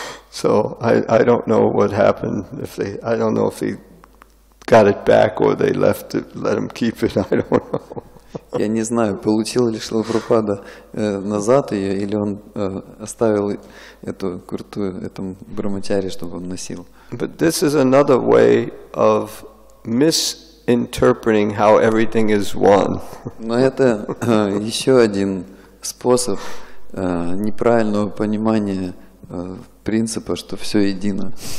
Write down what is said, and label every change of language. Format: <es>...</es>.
<en>So I don't know what happened. I don't know if they got it back or they left it, let him keep it. I don't know.</en> <ru>Я не знаю, получил ли Шрила Прабхупада назад ее, или он оставил эту курту этому брахмачари, чтобы он носил.</ru> <en>But this is another way of misinterpreting how everything is one.</en> <ru>Но это еще один способ неправильного понимания принципа, что все едино.</ru>